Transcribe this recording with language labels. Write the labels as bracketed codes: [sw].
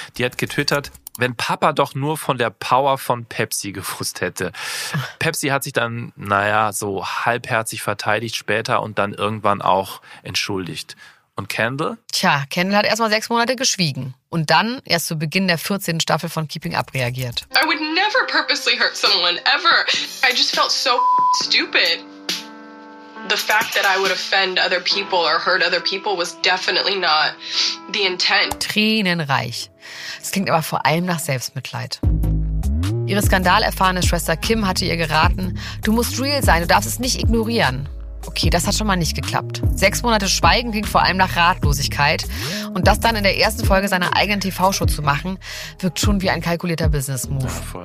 [de] Die hat getwittert, wenn Papa doch nur von der Power von Pepsi gewusst hätte. Pepsi hat sich dann, naja, so halbherzig verteidigt später und dann irgendwann auch entschuldigt. Und Kendall? Tja, Kendall hat erstmal 6 Monate geschwiegen und dann erst zu Beginn der 14. Staffel von Keeping Up reagiert. [en] I would never purposely hurt someone, ever. I just felt so stupid. The fact that I would offend other people or hurt other people was definitely not the intent. [de] Tränenreich. Es klingt aber vor allem nach Selbstmitleid. Ihre skandalerfahrene Schwester Kim hatte ihr geraten, du musst real sein, du darfst es nicht ignorieren. Okay, das hat schon mal nicht geklappt. 6 Monate Schweigen klingt vor allem nach Ratlosigkeit. Und das dann in der ersten Folge seiner eigenen TV-Show zu machen, wirkt schon wie ein kalkulierter Business-Move.